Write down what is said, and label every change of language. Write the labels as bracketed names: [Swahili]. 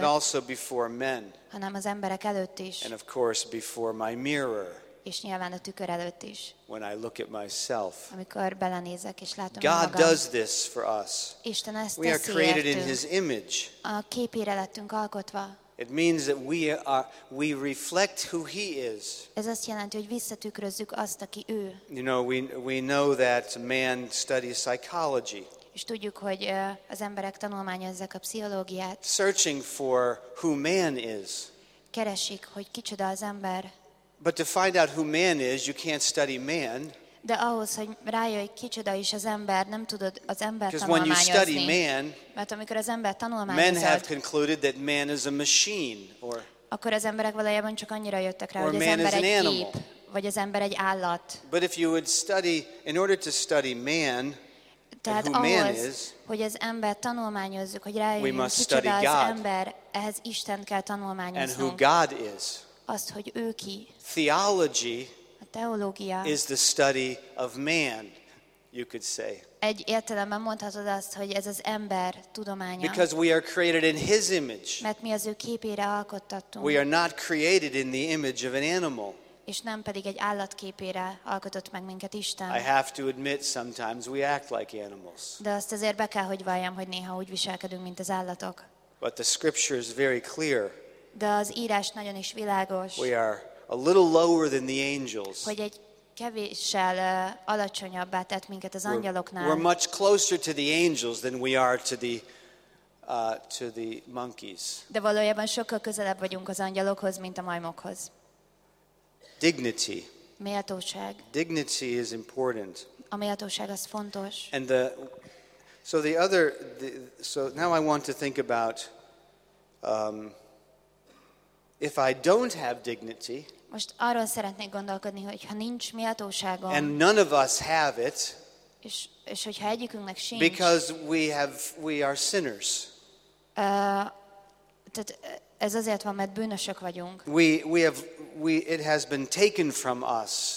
[English] but also before men, [Hungarian] hanem az emberek előtt is. [English] And of course before my mirror, [Hungarian] és nyilván a tükör előtt is. [English] When I look at myself, [Hungarian] amikor belenézek és látom [English] God [Hungarian] magam. [English] God does this for us. [Hungarian] Isten ezt [English] we [Hungarian] teszi [English] are created [Hungarian] értünk. [English] In His image. [Hungarian] A képére lettünk alkotva. [English] It means that we reflect who He is. [Hungarian] Ez azt jelenti, hogy visszatükrözzük azt, aki ő. [English] You know, we know that man studies psychology. [Hungarian] És tudjuk, hogy az emberek tanulmányozzák a pszichológiát. [English] Searching for who man is. [Hungarian] Keresik, hogy kicsoda az ember. [English] But to find out who man is, you can't study man. [Hungarian] De ahhoz, hogy rájöjj, kicsoda is az ember, nem tudod az ember tanulmányozni. [English] Man, [Hungarian] mert amikor az ember tanulmányozod, [English] men have concluded that man is a machine, or, [Hungarian] akkor az emberek valójában csak annyira jöttek rá, hogy az ember egy gép, vagy az ember egy állat. [English] But if you would study, in order to study man, [Hungarian] tehát [English] who [Hungarian] ahhoz, [English] man is, [Hungarian] hogy az ember tanulmányozzuk, hogy rájöjjünk, kicsoda az ember, ehhez Isten kell tanulmányozni. [English] And who God is. [Hungarian] Azt, hogy ő ki. [English] Theology, [Hungarian] teológia [English] is the study of man, you could say. [Hungarian] Egy értelemben mondhatod azt, hogy ez az ember tudománya. [English] Because we are created in His image. [Hungarian] Mert mi az ő képére alkottattunk. [English] We are not created in the image of an animal. [Hungarian] És nem pedig egy állatképére alkotott meg minket Isten. [English] I have to admit sometimes we act like animals. [Hungarian] De azt azért be kell, hogy valljam, hogy néha úgy viselkedünk, mint az állatok. [English] But the scripture is very clear. [Hungarian] De az írás nagyon is világos. [English] We are a little lower than the angels. [Hungarian] Hogy egy kevéssel alacsonyabbá tett minket az angyaloknál. [English] We're much closer to the angels than we are to the monkeys. [Hungarian] De valójában sokkal közelebb vagyunk az angyalokhoz, mint a majmokhoz. [English] Dignity. [Hungarian] Méltóság. [English] Dignity is important. [Hungarian] A méltóság az fontos. [English] And now I want to think about if I don't have dignity, [Hungarian] most arról szeretnék gondolkodni, hogy ha nincs méltóságom, [English] and none of us have it, [Hungarian] és hogyha egyikünknek sincs, [English] because we are sinners. [Hungarian] Tehát ez azért van, mert bűnösök vagyunk. [English] It has been taken from us.